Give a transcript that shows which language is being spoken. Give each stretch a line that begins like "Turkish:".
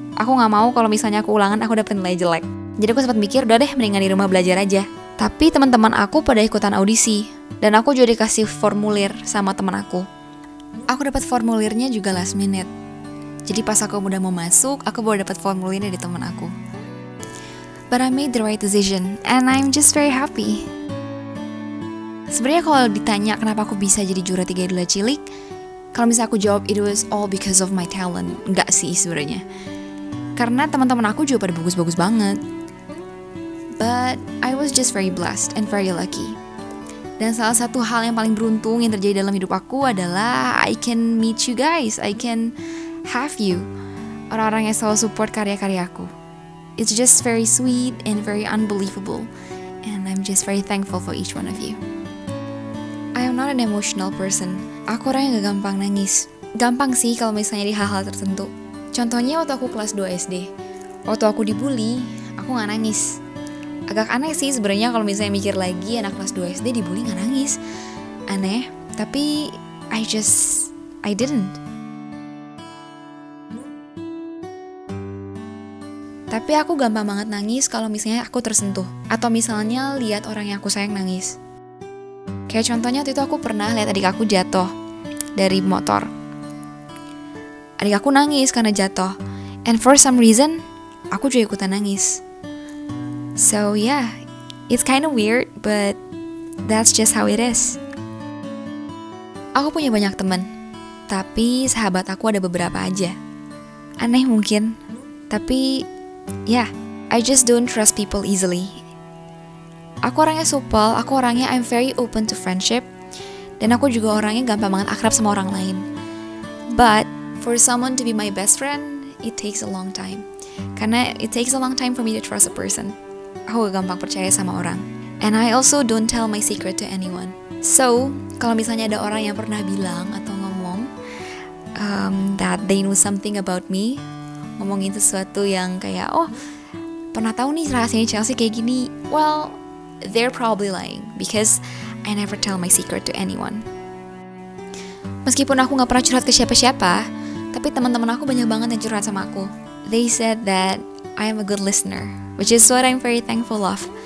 Indonesian: Aku gak mau kalau misalnya aku ulangan, aku dapet nilai jelek. Jadi aku sempat mikir, udah deh, mendingan di rumah belajar aja. Tapi teman-teman aku pada ikutan audisi. Dan aku juga dikasih formulir sama teman aku. Aku dapat formulirnya juga last minute. Jadi pas aku udah mau masuk, aku baru dapat formulirnya dari teman aku.
English: But I made the right decision, and I'm just very happy.
Indonesian: Sebenarnya kalau ditanya kenapa aku bisa jadi juara 3 idola cilik, kalau misalnya aku jawab,
English: it was all because of my talent.
Indonesian: Enggak sih sebenarnya. Karena teman-teman aku juga pada bagus-bagus banget.
English: But I was just very blessed and very lucky.
Indonesian: Dan salah satu hal yang paling beruntung yang terjadi dalam hidup aku adalah
English: I can meet you guys, I can have you.
Indonesian: Orang-orang yang selalu support karya-karyaku.
English: It's just very sweet and very unbelievable, and I'm just very thankful for each one of you. I am not an emotional person.
Indonesian: Aku orang yang gak gampang nangis. Gampang sih kalau misalnya di hal-hal tertentu. Contohnya waktu aku kelas 2 SD. Waktu aku dibully, aku gak nangis. Agak aneh sih sebenarnya kalau misalnya mikir lagi, anak kelas 2 SD dibully gak nangis. Aneh, tapi
English: I didn't.
Indonesian: Tapi aku gampang banget nangis kalau misalnya aku tersentuh atau misalnya lihat orang yang aku sayang nangis. Kayak contohnya waktu itu aku pernah lihat adik aku jatuh dari motor. Adik aku nangis karena jatuh.
English: And for some reason,
Indonesian: aku juga ikutan nangis.
English: So yeah, it's kind of weird, but that's just how it is.
Indonesian: Aku punya banyak teman, tapi sahabat aku ada beberapa aja. Aneh mungkin, tapi
English: yeah, I just don't trust people easily.
Indonesian: Aku orangnya supel, aku orangnya
English: I'm very open to friendship,
Indonesian: dan aku juga orangnya gampang banget akrab sama orang lain.
English: But for someone to be my best friend, it takes a long time. Karena it takes a long time for me to trust a person.
Indonesian: Aku gak gampang percaya sama orang.
English: And I also don't tell my secret to anyone.
Indonesian: So, kalau misalnya ada orang yang pernah bilang atau ngomong
English: that they know something about me,
Indonesian: ngomongin sesuatu yang kayak, oh, pernah tahu nih rahasianya Chelsea kayak gini,
English: well, they're probably lying, because I never tell my secret to anyone.
Indonesian: Meskipun aku gak pernah curhat ke siapa-siapa, tapi teman-teman aku banyak banget yang curhat sama aku.
English: They said that I am a good listener, which is what I'm very thankful of.